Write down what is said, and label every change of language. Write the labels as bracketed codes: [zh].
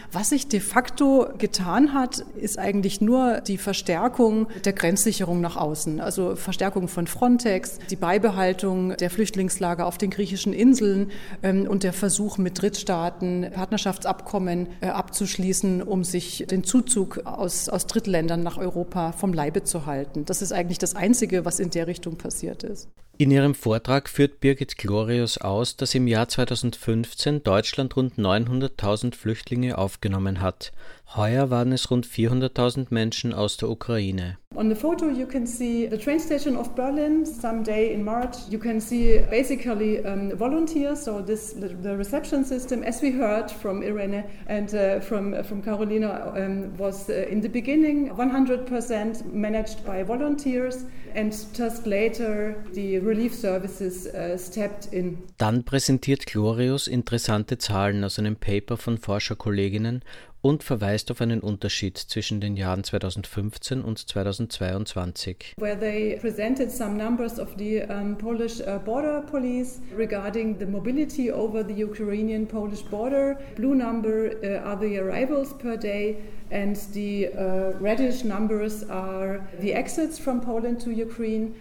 [de] Was sich de facto getan hat, ist eigentlich nur die Verstärkung der Grenzsicherung nach außen, also Verstärkung von Frontex, die Beibehaltung der Flüchtlingslager auf den griechischen Inseln und der Versuch, mit Drittstaaten Partnerschaftsabkommen abzuschließen, um sich den Zuzug aus Drittländern nach Europa vom Leibe zu halten. Das ist eigentlich das Einzige, was in der Richtung passiert ist. In ihrem Vortrag führt Birgit Glorius aus, dass im Jahr 2015 Deutschland rund 900.000 Flüchtlinge aufgenommen hat. Heuer waren es rund 400.000 Menschen aus der Ukraine. [en] On the photo you can see the train station of Berlin someday in March. You can see basically volunteers, so this the reception system, as we heard from Irene and from Carolina, was in the beginning 100% managed by volunteers and just later the relief services stepped in. [de] Dann präsentiert Glorius interessante Zahlen aus einem Paper von Forscherkolleginnen und verweist auf einen Unterschied zwischen den Jahren 2015 und 2022. [en] Where they presented some numbers of the Polish border police regarding the mobility over the Ukrainian-Polish border. Blue number are the arrivals per day and the reddish numbers are the exits from Poland to Ukraine.